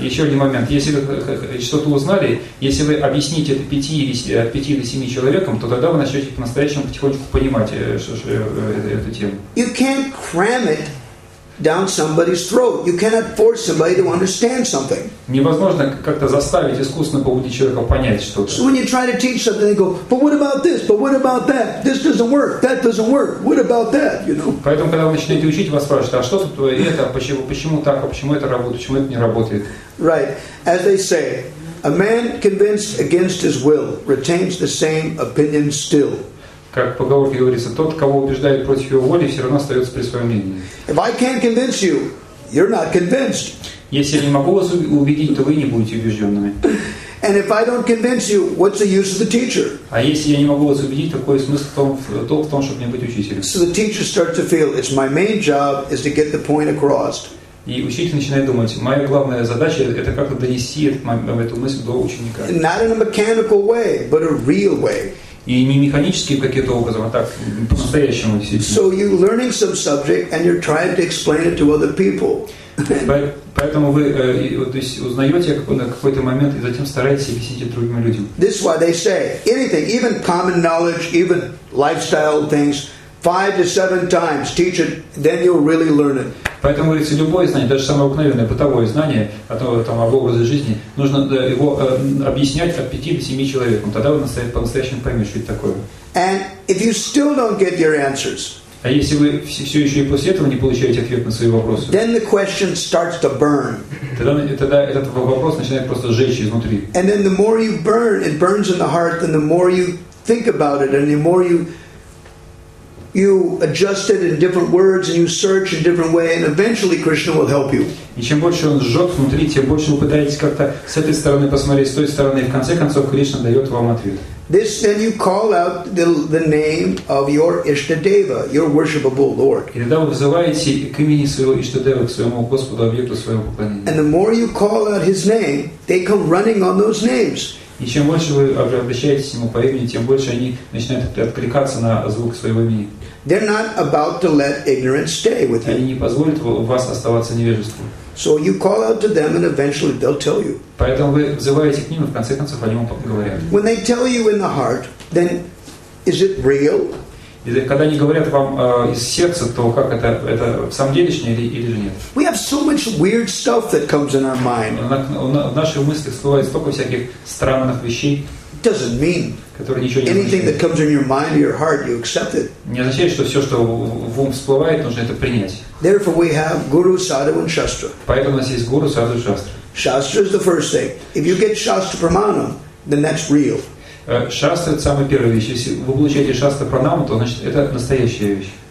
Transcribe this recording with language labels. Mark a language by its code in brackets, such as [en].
[ru] Еще один момент. Если вы что-то узнали, если вы объясните это 5 или 7 человекам, то тогда вы начнете по-настоящему потихонечку понимать эту тему. [en] You can't cram it down somebody's throat. You cannot force somebody to understand something. [ru] Невозможно как-то заставить искусственно побудить человека понять что-то. [en] So when you try to teach something, they go, "But what about this? But what about that? This doesn't work. That doesn't work. What about that?" You know. [ru] Поэтому, когда вы начинаете учить, вас спрашивают: "А что тут это? Почему так? А почему это работает? Почему это не работает?" [en] Right. As they say, a man convinced against his will retains the same opinion still. [ru] Как поговорка говорится, тот, кого убеждают против его воли, все равно остается при своем мнении. [en] If I can't convince you, you're not convinced. [ru] Если я не могу вас убедить, то вы не будете убежденными. [en] And if I don't convince you, what's the use of the teacher? [ru] А если я не могу вас убедить, то какой смысл в том, чтобы мне быть учителем? [en] So the teacher starts to feel it's my main job is to get the point across. [ru] И учитель начинает думать: моя главная задача – это как-то донести эту мысль до ученика. [en] Not in a mechanical way, but a real way. [ru] И не механическим каким-то образом, а так, по-настоящему, действительно. [en] So you're learning some subject and you're trying to explain it to other people. [ru] Поэтому вы узнаете какой-то момент и затем стараетесь объяснить это другим людям. [en] This is why they say anything, even common knowledge, even lifestyle things, 5 to 7 times teach it, then you'll really learn it. [ru] Поэтому, говорится, любое знание, даже самое обыкновенное бытовое знание об образе жизни, нужно его объяснять от 5 до 7 человек. Тогда вы по-настоящему поймете, что это такое. [en] And if you still don't get your answers, [ru] а если вы все еще и после этого не получаете ответ на свои вопросы, [en] then the question starts to burn. [ru] Тогда этот вопрос начинает просто жечь изнутри. [en] And then the more you burn, it burns in the heart, and the more you think about it, and the more you adjust it in different words, and you search in different way, and eventually Krishna will help you. [ru] И чем больше он жжет внутри, тем больше вы пытаетесь как-то с этой стороны посмотреть, с той стороны, и в конце концов Кришна дает вам ответ. [en] This then you call out the name of your Ishtadeva, your worshipable Lord. [ru] И тогда вы вызываете к имени своего Ишта-дева, к своему Господу, объекту своего поклонения. [en] And the more you call out his name, they come running on those names. [ru] И чем больше вы обращаетесь к нему по имени, тем больше они начинают откликаться на звук своего имени. [en] They're not about to let ignorance stay with you. [ru] Они не позволят вас оставаться невежеством. [en] So you call out to them, and eventually they'll tell you. [ru] Поэтому вы взываете к ним, и в конце концов они вам говорят. [en] When they tell you in the heart, then is it real? [ru] Когда они говорят вам из сердца, то как это в самом делешне или же нет? [en] We have so much weird stuff that comes in our mind. [ru] В наших мыслях всплывает столько всяких странных вещей. [en] It doesn't mean anything that comes in your mind or your heart, you accept it. [ru] Не означает, что все, что в ум всплывает, нужно это принять. [en] Therefore, we have guru, sadhu, and shastra. [ru] Поэтому у нас есть гуру, садху, шастра. [en] Shastra is the first thing. If you get shastra pramana, then that's real. [ru] Шастра – это самая первая вещь. Если вы получаете шастра пранаму, то значит это настоящая вещь.